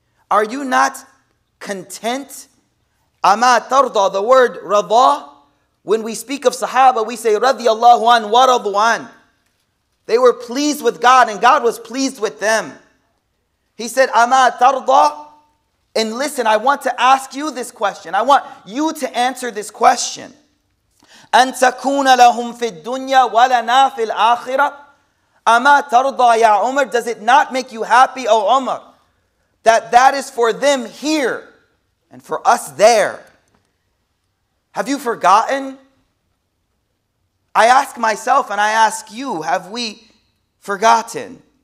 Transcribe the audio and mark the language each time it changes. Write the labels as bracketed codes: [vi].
[en] Are you not content? [ar] Ama tarda, [en] the word radha, when we speak of Sahaba, we say radiyallahu an wa radhu an. They were pleased with God and God was pleased with them. He said, [ar] Ama tarda? [en] And listen, I want to ask you this question. I want you to answer this question. [ar] أن تكون لهم في الدنيا ولنا في الآخرة أما ترضى يا عمر. [en] Does it not make you happy, O Umar, that is for them here and for us there? Have you forgotten? I ask myself and I ask you, have we forgotten?